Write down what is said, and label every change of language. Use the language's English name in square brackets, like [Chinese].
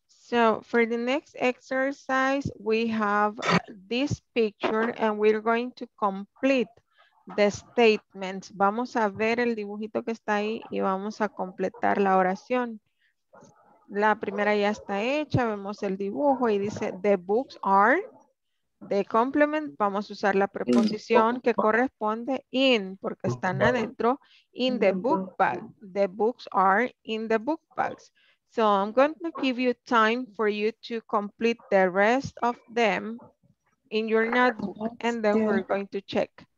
[English] So for the next exercise, we have this picture and we're going to complete the statements. [Spanish] Vamos a ver el dibujito que está ahí y vamos a completar la oración. La primera ya está hecha, vemos el dibujo y dice [English] the books are the complement. [Spanish] Vamos a usar la preposición que corresponde in porque están adentro. [English] In the book bag, the books are in the book bags. So I'm going to give you time for you to complete the rest of them in your notebook and then we're going to check.